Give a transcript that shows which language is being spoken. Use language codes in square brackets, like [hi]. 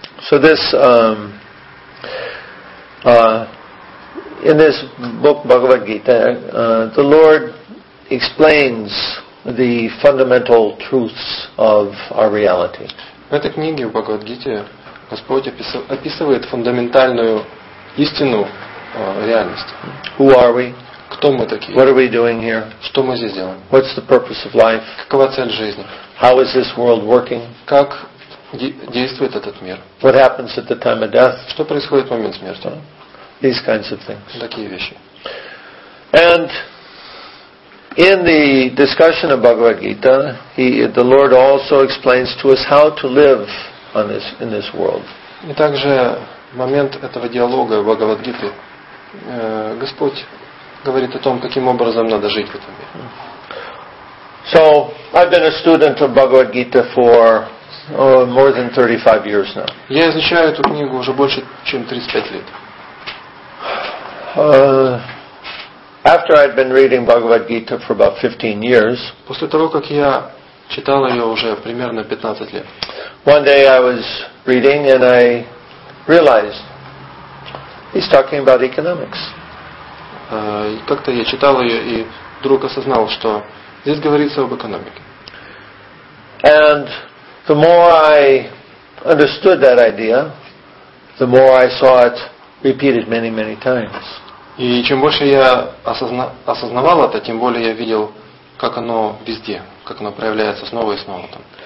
[en] So this in this book Bhagavad-gita, the Lord explains the fundamental truths of our reality. [ru] В этой книге, в Бхагавад-гите, Господь описывает фундаментальную истину реальности. [en] Who are we? [ru] Кто мы такие? [en] What are we doing here? [ru] Что мы здесь делаем? [en] What's the purpose of life? [ru] Какова цель жизни? [en] How is this world working? [ru] Как действует этот мир? [en] What happens at the time of death? [ru] Что происходит в момент смерти? [en] These kinds of things. [ru] Такие вещи. [en] And in the discussion of Bhagavad Gita, the Lord also explains to us how to live in this world. [ru] И также момент этого диалога в Бхагавад Гите, Господь говорит о том, каким образом надо жить в этом мире. [en] So I've been a student of Bhagavad Gita for more than 35 years now. [ru] Я изучаю эту книгу уже больше чем 35 лет. [en] After I'd been reading Bhagavad Gita for about 15 years, [ru] после того как я читал ее уже примерно 15 лет, [en] one day I was reading and I realized he's talking about economics. [ru] Как-то я читал ее и вдруг осознал, что здесь говорится об экономике. [en] And the more I understood that idea, the more I saw it repeated many, many times. [ru] И чем больше я осознавал это, тем более я видел, как оно везде, как оно проявляется снова и снова там.